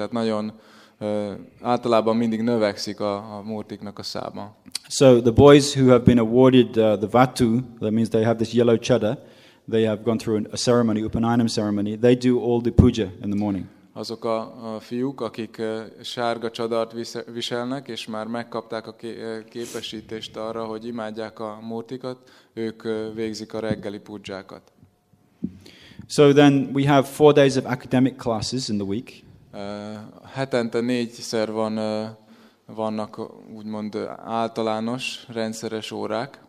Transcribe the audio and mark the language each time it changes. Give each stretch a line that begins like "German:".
Hungarian: Tehát nagyon általában mindig növekszik a murtiknak a száma.
English: So the boys who have been awarded the vatu, that means they have this yellow cheddar, they have gone through a ceremony, upanayanam ceremony, they do all the puja in the morning.
Hungarian: Azok a fiúk, akik sárga csadart viselnek, és már megkapták a képesítést arra, hogy imádják a murtikat, ők végzik a reggeli pujjákat.
English: So then we have 4 days of academic classes in the week.
Hungarian: Hetente 4-szer vannak úgymond általános, rendszeres órák.